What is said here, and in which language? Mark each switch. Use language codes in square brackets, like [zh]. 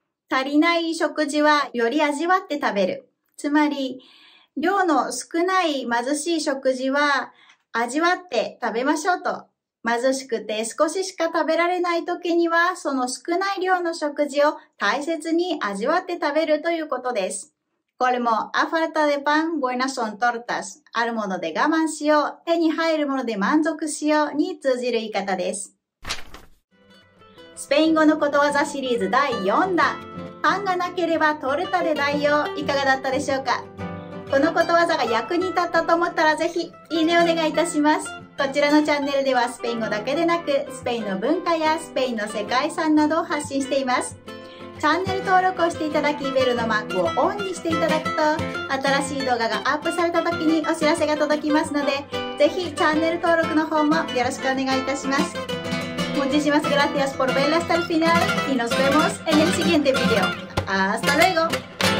[ja] 足りない食事はより味わって食べる。つまり、量の少ない貧しい食事は味わって食べましょうと。貧しくて少ししか食べられない時には、その少ない量の食事を大切に味わって食べるということです。これも、 [es] a falta de pan, buenas son tortas. [ja] あるもので我慢しよう、手に入るもので満足しように通じる言い方です。スペイン語のことわざシリーズ第4弾。パンがなければトルタで代用。いかがだったでしょうか？このことわざが役に立ったと思ったらぜひ、いいねお願いいたします。こちらのチャンネルではスペイン語だけでなく、スペインの文化やスペインの世界遺産などを発信しています。チャンネル登録をしていただき、ベルのマークをオンにしていただくと、新しい動画がアップされた時にお知らせが届きますので、ぜひチャンネル登録の方もよろしくお願いいたします。 [es] Muchísimas gracias por ver hasta el final y nos vemos en el siguiente video. ¡Hasta luego!